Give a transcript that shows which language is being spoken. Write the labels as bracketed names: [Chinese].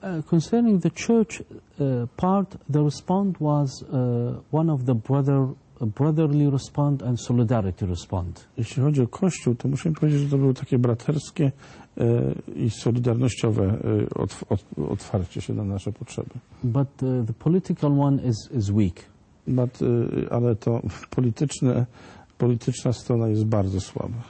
[English] Concerning the church part, the response was one of the brotherly response and solidarity response. [Polish] Jeśli chodzi o Kościół, to muszę powiedzieć, że to było takie braterskie i solidarnościowe otwarcie się na nasze potrzeby. [English] But the political one is weak. [Polish] Ale to polityczna strona jest bardzo słaba.